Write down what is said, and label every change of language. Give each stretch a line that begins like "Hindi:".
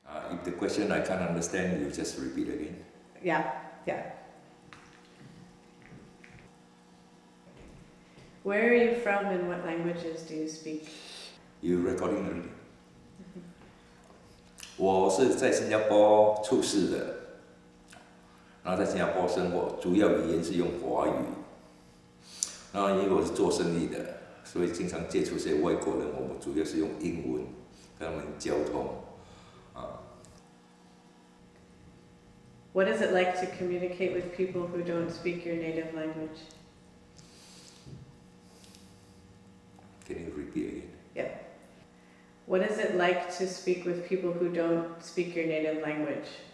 English: If the question I can't understand, you just repeat again. Where are you from and what languages do you speak? You recording already?
Chinese: 我是在新加坡出世的，然后在新加坡生活，主要语言是用华语。然后因为我是做生意的，所以经常接触这些外国人，我们主要是用英文跟他们交通。
English: What is it like to communicate with people who don't speak your native language? Can you repeat What is it like to speak with people who don't speak your native language?